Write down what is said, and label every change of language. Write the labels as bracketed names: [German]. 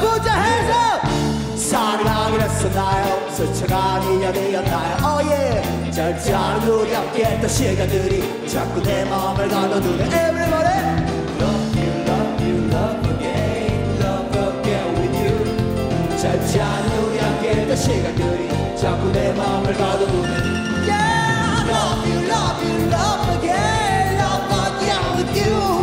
[Korean] 부자 해서 사랑하기로 했었나요? 스쳐간 인연이었나요? Oh yeah. 잘잘 우리 함께했던 시간들이 자꾸 내 마음을 가둬두네. [English] Everybody love you, love you, love again, love again with you. [Korean] 잘잘 우리 함께했던 시간들이 자꾸 내 마음을 가둬두네. [English] Yeah, love you, love you, love again, love again with you.